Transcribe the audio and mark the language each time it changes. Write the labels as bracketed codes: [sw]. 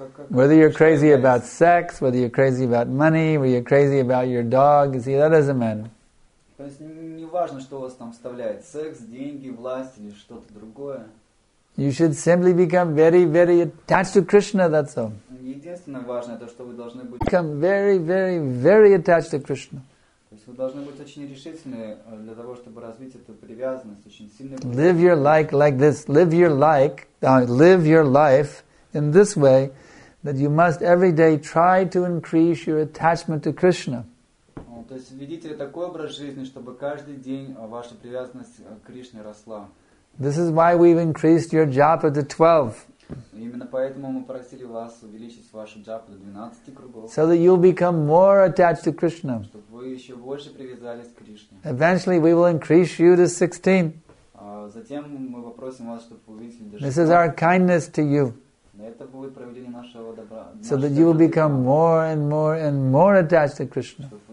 [en] Whether you're crazy about sex, whether you're crazy about money, whether you're crazy about your dog, you see, that doesn't matter. [ru] То есть не важно, что вас там вставляет, секс, деньги, власть или что-то другое. [en] You should simply become very, very attached to Krishna, that's all. [ru] Единственное важное, то, что вы должны быть... [en] Become very, very, very attached to Krishna. [ru] То есть вы должны быть очень решительны для того, чтобы развить эту привязанность, очень сильно. [en] Live your life like this. Live your life. Live your life in this way, that you must every day try to increase your attachment to Krishna. [ru] То есть ведите такой образ жизни, чтобы каждый день ваша привязанность к Кришне росла. [en] This is why we've increased your japa to 12. [ru] Именно поэтому мы просили вас увеличить вашу джапу до 12 кругов. [en] So that you'll become more attached to Krishna. [ru] Чтобы вы еще больше привязались к Кришне. [en] Eventually we will increase you to 16. [ru] Затем мы попросим вас, чтобы вы увеличили до 16. [en] This is our kindness to you. So that you will become more and more and more attached to Krishna.